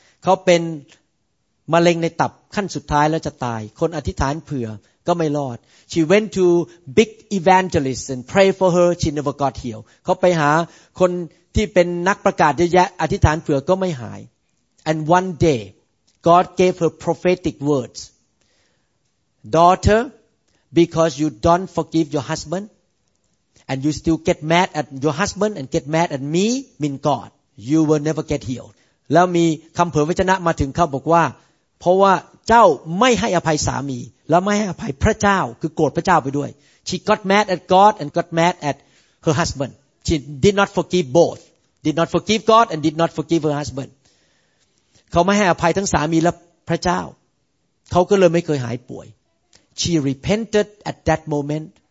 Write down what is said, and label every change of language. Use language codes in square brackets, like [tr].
[th] เขาเป็นมะเร็งในตับขั้นสุดท้ายแล้วจะตายคนอธิษฐานเผื่อก็ไม่รอด [en] She went to big evangelists and pray for her. She never got healed. [th] เขาไปหาคนที่เป็นนักประกาศเยอะแยะอธิษฐานเผื่อก็ไม่หาย [en] And one day, God gave her prophetic words, daughter. Because you don't forgive your husband, and you still get mad at your husband and get mad at me, mean God, you will never get healed. [th] แล้วมีคำเผยพระวจนะมาถึงเขาบอกว่าเพราะว่าเจ้าไม่ให้อภัยสามีแล้วไม่ให้อภัยพระเจ้าคือโกรธพระเจ้าไปด้วย [en] She got mad at God and got mad at her husband. She did not forgive both. Did not forgive God and did not forgive her husband. [th] เขาไม่ให้อภัยทั้งสามีและพระเจ้าเขาก็เลยไม่เคยหายป่วย [en] She repented at that moment.